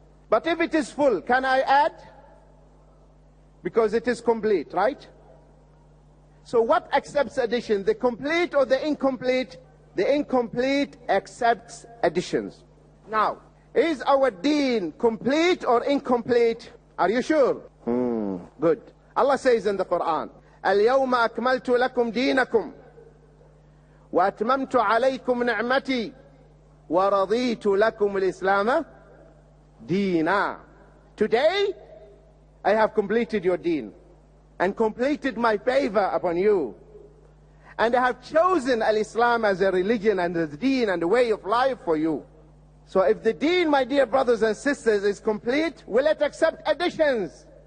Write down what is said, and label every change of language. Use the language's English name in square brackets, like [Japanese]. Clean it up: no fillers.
[English] But if it is full, can I add? Because it is complete, right? So what accepts addition, the complete or the incomplete? The incomplete accepts additions. Now, is our deen complete or incomplete? Are you sure? Good. Allah says in the Quran, [Arabic] الْيَوْمَ أَكْمَلْتُ لَكُمْ دِينَكُمْ وَأَتْمَمْتُ عَلَيْكُمْ نِعْمَتِي وَرَضِيتُ لَكُمْ الْإِسْلَامَ دِينًا. [English] Today, I have completed your deen and completed my favor upon you. And I have chosen al-Islam as a religion and as deen and a way of life for you. So if the deen, my dear brothers and sisters, is complete, will it accept additions?